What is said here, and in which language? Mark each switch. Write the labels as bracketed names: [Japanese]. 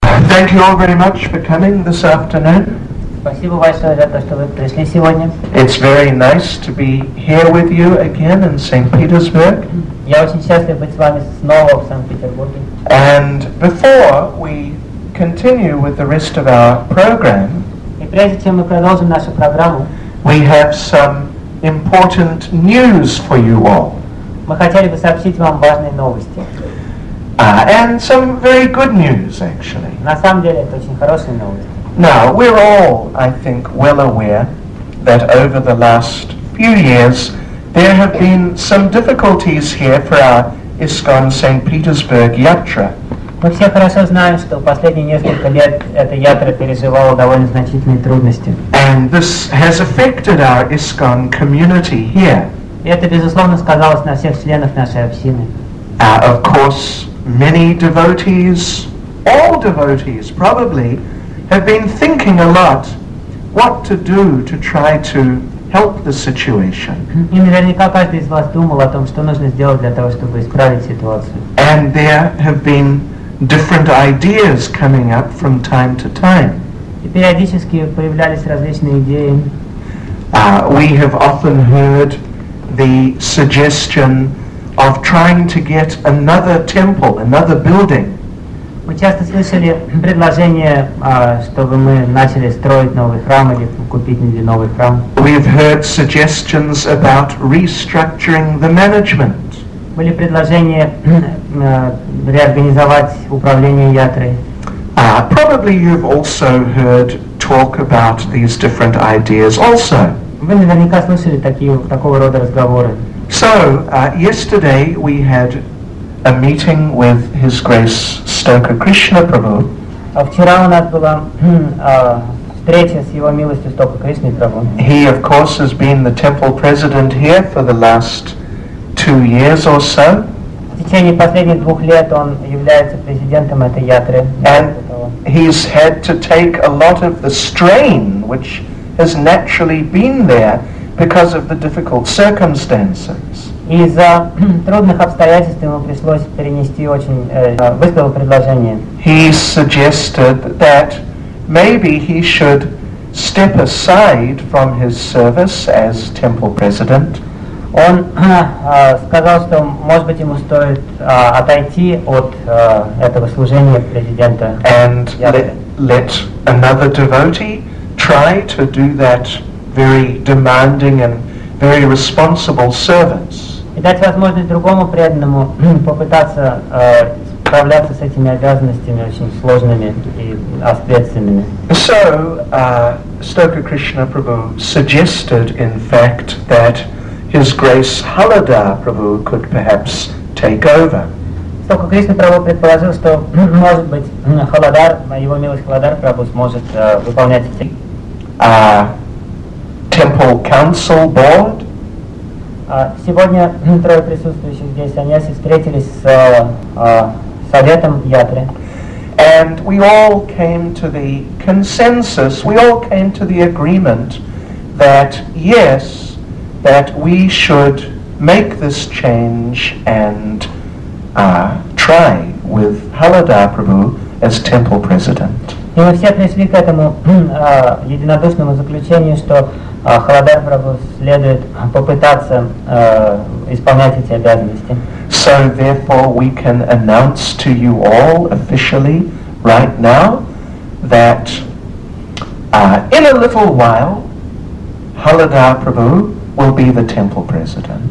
[English] Thank you all very much for coming this afternoon. [Russian] Спасибо большое за то, что вы пришли сегодня. [English] It's very nice to be here with you again in St. Petersburg. [Russian] Я очень счастлив быть с вами снова в Санкт-Петербурге. [English] And before we continue with the rest of our program, [Russian] и прежде чем мы продолжим нашу программу, [English] we have some important news for you all. [Russian] Мы хотели бы сообщить вам важные новости. [English] And some very good news, actually. [Russian] На самом деле, это очень хорошие новости. [English] Now, we're all, I think, well aware that over the last few years, there have been some difficulties here for our ISKCON St. Petersburg Yatra. [Russian] Мы все хорошо знаем, что последние несколько лет эта Ятра переживала довольно значительные трудности. [English] And this has affected our ISKCON community here. [Russian] И это, безусловно, сказалось на всех членах нашей общины. [English] Of course, many devotees, all devotees probably, have been thinking a lot what to do to try to help the situation. [Russian] И наверняка каждый из вас думал о том, что нужно сделать для того, чтобы исправить ситуацию. [English] And there have been different ideas coming up from time to time. [Russian] И периодически появлялись различные идеи. [English] We have often heard the suggestion of trying to get another temple, another building. [Russian] Мы часто слышали предложение, чтобы мы начали строить новый храм или купить или новый храм. [English] We've heard suggestions about restructuring the management. [Russian] Были предложения реорганизовать управление Ятрой. [English] Probably you've also heard talk about these different ideas also. [Russian] Вы наверняка слышали такого рода разговоры. [English] So, yesterday we had a meeting with His Grace Stoker Krishna Prabhu. [Russian] Вчера у нас была встреча с Его милостью Стокой Кришной Прабху. [English] He, of course, has been the temple president here for the last 2 years or so. [Russian] В течение последних 2 лет он является президентом этой ятры. [English] And he's had to take a lot of the strain, which has naturally been there, because of the difficult circumstances. [Russian] Из-за трудных обстоятельств ему пришлось перенести очень высказал предложение. [English] He suggested that maybe he should step aside from his service as temple president. [Russian] Он сказал, что может быть ему стоит отойти от этого служения президента. [English] And let another devotee try to do that very demanding and very responsible servants. [Russian] И дать возможность другому преданному попытаться справляться с этими обязанностями очень сложными и ответственными. [English] So, Stoker Krishna Prabhu suggested, in fact, that His Grace Halada Prabhu could perhaps take over. [Russian] Стока Кришна Прабху предположил, что, может быть, Халадар, его милость Халадар Прабху, сможет выполнять эти... [English] Temple Council Board. [Russian] Сегодня трое присутствующих здесь саньяси встретились с советом Ятры. [English] And we all came to the consensus, we all came to the agreement that yes, that we should make this change and try with Halada Prabhu as temple president. [Russian] И мы все пришли к этому единодушному заключению, что Халадар Прабху следует попытаться исполнять эти обязанности. [English] So therefore we can announce to you all officially right now that in a little while Halladhar Prabhu will be the temple president.